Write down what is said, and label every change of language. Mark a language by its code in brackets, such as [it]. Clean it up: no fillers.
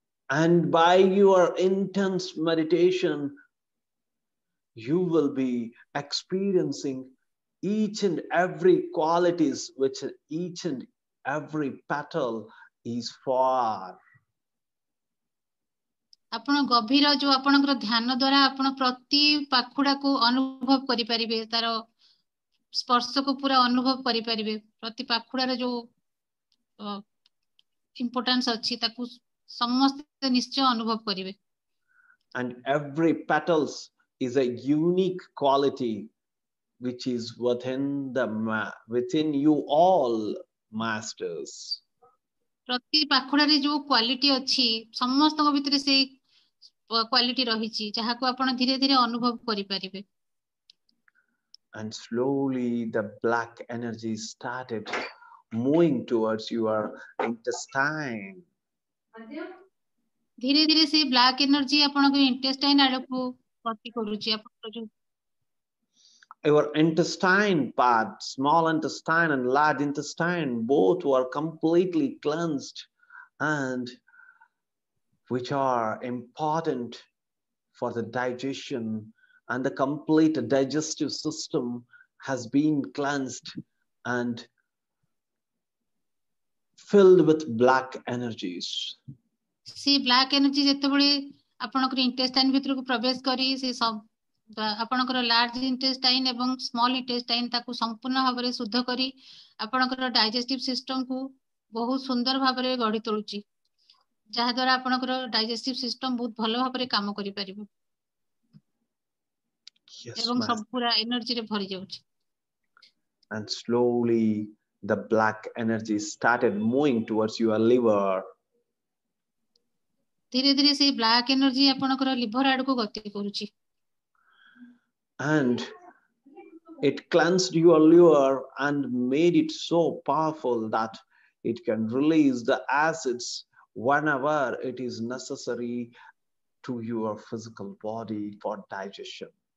[en] And by your intense meditation you will be experiencing each and every qualities which each and every petal is for [or] ଆପଣ ଗଭୀର ଯୋଉ ଆପଣଙ୍କର ଧ୍ୟାନ ଦ୍ୱାରା ଆପଣ ପ୍ରତି ପାଖୁଡାକୁ ଅନୁଭବ କରିପାରିବେ, ତାର ସ୍ପର୍ଶକୁ ପୁରା ଅନୁଭବ କରିପାରିବେ, ପ୍ରତି ପାଖୁଡାର ଯୋଉ ଇମ୍ପୋର୍ଟାନ୍ସ ଅଛି ତାକୁ ସମସ୍ତେ ନିଶ୍ଚୟ ଅନୁଭବ କରିବେ। [en] And every petals is a unique quality which is within you all, masters. [or] ପ୍ରତି ପାଖୁଡାରେ ଯୋଉ କ୍ୱାଲିଟି ଅଛି ସମସ୍ତଙ୍କ ଭିତରେ ସେଇ କ୍ୱାଲିଟି ରହିଛି ଯାହାକୁ ଆପଣ ଧୀରେ ଧୀରେ ଅନୁଭବ କରିପାରିବେ। [en] And slowly the black energy started moving towards your intestine. [or] ଧୀରେ ଧୀରେ ସେ ବ୍ଲାକ୍ ଏନର୍ଜି ଆପଣଙ୍କ ଇଣ୍ଟେଷ୍ଟାଇନ୍ ଆଡକୁ ଗତି କରୁଛି। ଆପଣଙ୍କ ଯୋଉ [en] Your intestine part, small intestine and large intestine, both were completely cleansed and which are important for the digestion and the complete digestive system has been cleansed and filled with black energies. [or] See, black energy, jetebele apanakar intestine bhitar ku pravesh kari, see sab ଆପଣଙ୍କର large intestine ଏବଂ small intestine ତାକୁ ସମ୍ପୂର୍ଣ୍ଣ ଭାବରେ ଶୁଦ୍ଧ କରି ଆପଣଙ୍କର digestive ସିଷ୍ଟମକୁ ବହୁତ ସୁନ୍ଦର ଭାବରେ ଗଢି ତୋଳୁଛି, ଯାହାଦ୍ୱାରା ଆପଣଙ୍କର ଡାଇଜେଷ୍ଟିଭ୍ ସିଷ୍ଟମ ବହୁତ ଭଲ ଭାବରେ କାମ କରିପାରିବ [en] Yes, [or] ଏବଂ ସବୁ [en] master. [or] ପୁରା ଏନର୍ଜିରେ ଭରି ଯାଉଛି। [en] And slowly the black energy started moving towards your liver. [or] ଧୀରେ ଧୀରେ ସେଇ ବ୍ଲାକ୍ ଏନର୍ଜି ଆପଣଙ୍କର ଲିଭର ଆଡକୁ ଗତି କରୁଛି। [en] And it cleansed your liver and made it so powerful that it can release the acids whenever it is necessary to your physical body for digestion.